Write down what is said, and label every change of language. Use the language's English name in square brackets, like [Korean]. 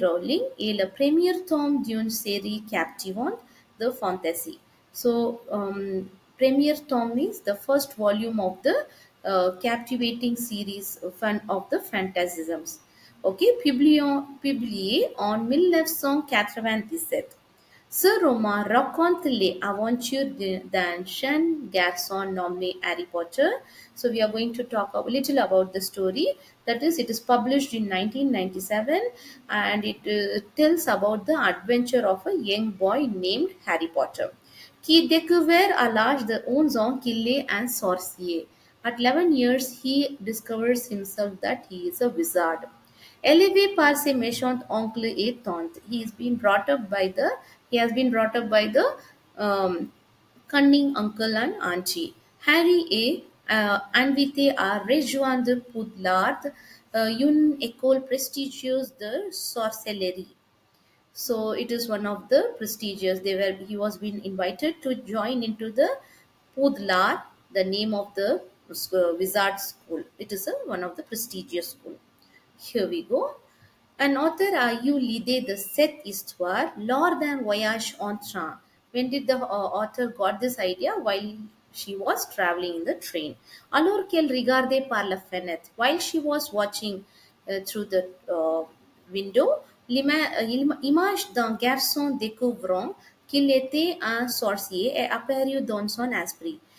[French] Rowling et le premier tome d'une série captivante de fantasy. [English] So, premier tome means the first volume of the captivating series of the fantasisms. [French] Okay, publié en 1997. Ce roman raconte les aventures d'un jeune garçon nommé Harry Potter. [English] So we are going to talk a little about the story. That is, it is published in 1997 and it tells about the adventure of a young boy named Harry Potter [French] qui découvre à l'âge de 11 ans qu'il est un sorcier. [English] At 11 years, he discovers himself that he is a wizard. [French] Élevé par ses méchants oncles et tantes, [English] he has been brought up by the cunning uncle and auntie. [French] Harry est invité à rejoindre Poudlard, une école prestigieuse de sorcellerie. [English] So it is one of the prestigious. He was been invited to join into the Poudlard, the name of the wizard school. It is one of the prestigious school. Here we go. [French] Un auteur a eu l'idée de cette histoire lors d'un voyage en train. [English] When did the author got this idea? While she was traveling in the train. [French] Alors qu'elle regardait par la fenêtre. [English] While she was watching through the window, [French] l'image d'un garçon découvrant qu'il était un sorcier est apparue dans son esprit.